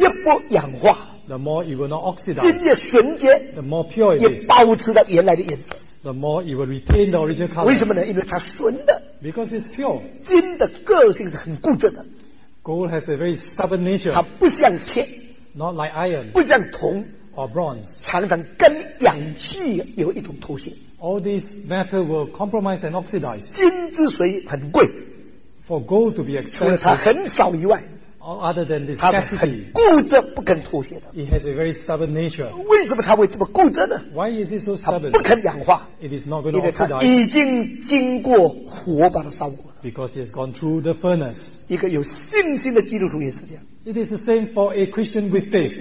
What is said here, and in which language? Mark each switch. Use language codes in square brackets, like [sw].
[zh] 越不氧化, [en] the more it will not oxidize. [zh] 心越纯洁, [en] the more pure it is. [zh] 也保持它原来的颜色, [en] the more it will retain the original color. [zh] 为什么呢?因为它纯的, [en] because it's pure. [zh] 金的个性是很固执的, [en] gold has a very stubborn nature. [zh] 它不像铁, [en] not like iron. [zh] 不像铜, [en] or bronze. [zh] 常常跟氧气有一种脱屑, [en] all these metals will compromise and oxidize. [zh] 金之所以很贵, [en] for gold to be expensive, [zh] 除了它很少以外, [en] other than this scarcity, [zh] 它很固执不肯脱屑的, [en] it has a very stubborn nature. [zh] 为什么它会这么固执呢? [en] Why is it so stubborn? [zh] 它不肯氧化, [en] it is not going to oxidize. [zh] 因为它已经经过火把它烧过了, [en] because it has gone through the furnace. [zh] 一个有信心的基督徒也是这样, [en] it is the same for a Christian with faith.